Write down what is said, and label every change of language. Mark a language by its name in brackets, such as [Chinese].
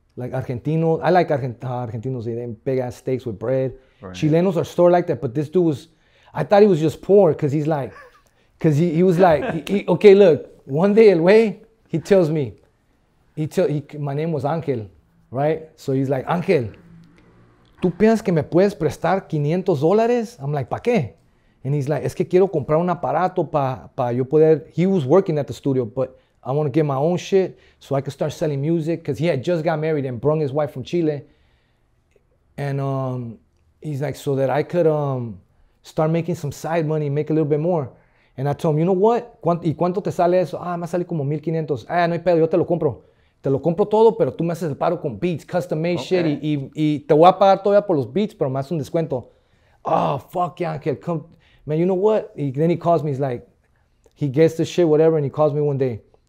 [English] Like Argentino, I like Argentinos, they eat big ass steaks with bread. Right. Chilenos are store like that, but this dude was, I thought he was just poor because he's like, because he was like, okay, look, one day [Spanish] el wey, [English] he tells me, my name was Angel, right? So he's like, [Spanish] Angel, ¿tú piensas que me puedes prestar $500? [English] I'm like, [Spanish] ¿pa' qué? [English] And he's like, [Spanish] es que quiero comprar un aparato pa yo poder. [English] He was working at the studio, but I want to get my own shit so I can start selling music, because he had just got married and brung his wife from Chile. And he's like, so that I could start making some side money, make a little bit more. And I told him, you know what? [Spanish] ¿Y cuánto te sale eso? Ah, me sale como 1,500. Ah, no hay pedo, yo te lo compro. Te lo compro todo, pero tú me haces el paro con beats, [English] custom made shit. [Spanish] Y te voy a pagar todavía por los beats, pero me haces un descuento. [English] Oh, fuck yeah, Angel, come. Man, you know what? Then he calls me. He's like, he gets the shit, whatever, and he calls me one day.